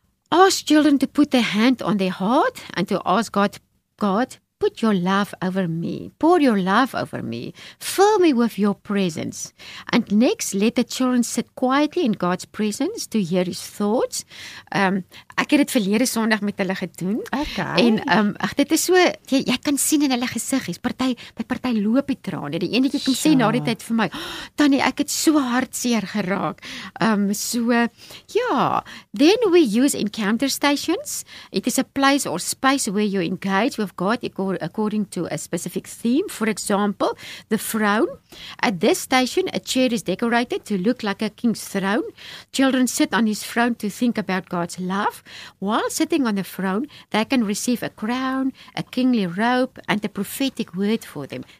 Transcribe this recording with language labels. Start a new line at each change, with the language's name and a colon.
English: Ask children to put their hand on their heart and to ask God, God, put your love over me. Pour your love over me. Fill me with your presence. And next, let the children sit quietly in God's presence to hear his thoughts.
Afrikaans: Ek het dit verlede Sondag met hulle gedoen. Okay. En dit is so, jy kan sien in hulle gesiggies, party loop die traan. Die ene kom sê na die tyd vir my, Tannie, ek het so hartseer geraak.
English: Then we use encounter stations. It is a place or space where you engage with God according to a specific theme. For example, the throne. At this station, a chair is decorated to look like a king's throne. Children sit on his throne to think about God's love. While sitting on the throne, they can receive a crown, a kingly robe, and a prophetic word for them.